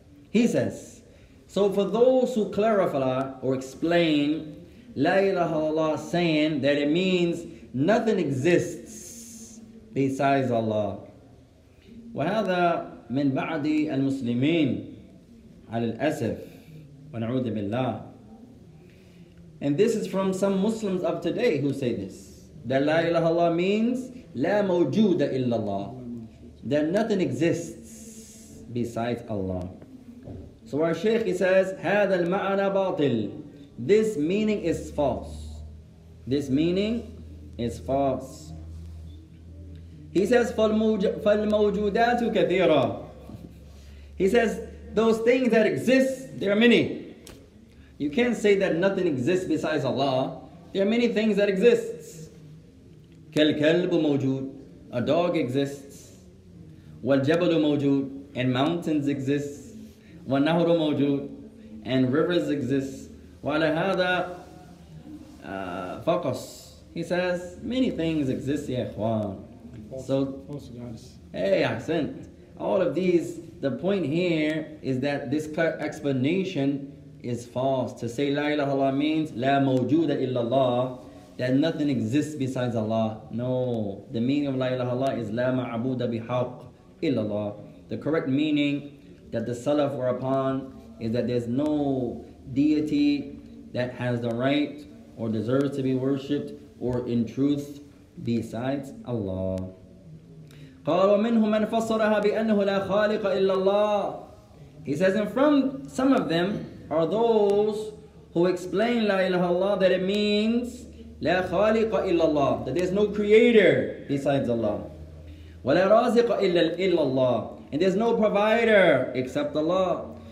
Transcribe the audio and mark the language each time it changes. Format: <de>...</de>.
<en>He says, so for those who clarify or explain La ilaha illallah saying that it means nothing exists besides Allah.</en> <ar>وهذا من بعض المسلمين على الأسف ونعوذ بالله.</ar> <en>And this is from some Muslims of today who say this. That La ilaha illallah means La mawjuda illallah. That nothing exists besides Allah. So our Shaykh, he says,</en> <ar>هذا المعنى باطل.</ar> <en>This meaning is false. This meaning is false. He says,</en> <ar>فالموجودات كثيرة.</ar> <en>He says, those things that exist, there are many. You can't say that nothing exists besides Allah. There are many things that exist.</en> <ar>كالكلب موجود.</ar> <en>A dog exists.</en> <ar>والجبل موجود.</ar> <en>And mountains exist.</en> <ar>وَالنَّهُرُ مَوْجُودٌ</ar> <en>and rivers exist.</en> <ar>وَعَلَى هَذَا فَقَصْ.</ar> <en>He says, many things exist, ya ikhwan. So, false gods. Hey, accent. All of these, the point here is that this explanation is false. To say</en> <ar>لا إله الله</ar> <en>means</en> <ar>لا موجود إلا الله,</ar> <en>that nothing exists besides Allah. No, the meaning of</en> <ar>لا إله الله</ar> <en>is</en> <ar>لا معبود بحق إلا الله.</ar> <en>The correct meaning that the Salaf were upon is that there's no deity that has the right or deserves to be worshipped or in truth besides Allah.</en> <ar>قال ومنهم من فسرها بأنه لا خالق إلا الله.</ar> <en>He says, and from some of them are those who explain la ilaha Allah, that it means la khaliqa illallah, that there's no creator besides Allah. Wa la raziqa illallah, and there's no provider except Allah.</en>